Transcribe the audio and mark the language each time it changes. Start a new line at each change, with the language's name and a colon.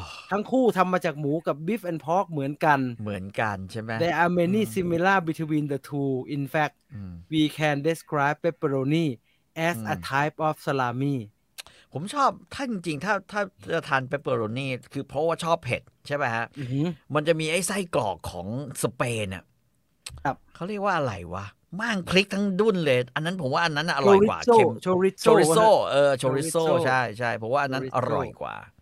Thai: ทั้งคู่ทำมาจากหมูกับ
English: beef and pork
Thai: เหมือนกัน เหมือนกันใช่ไหม
English: There are many similar between the two. In fact, we can describe pepperoni as a type of salami.
Thai: ผมชอบถ้าจริงๆถ้าจะทานเปปเปอโรนี่คือเพราะว่าชอบเผ็ดใช่ไหมฮะ มันจะมีไอ้ไส้กรอกของสเปนอะ ครับ เขาเรียกว่าอะไรวะม่างพริกทั้งดุ้นเลยอันนั้นผมว่าอันนั้นอร่อยกว่า โชริโซ โชริโซชริโซใช่ใช่ผมว่าอันนั้นอร่อยกว่า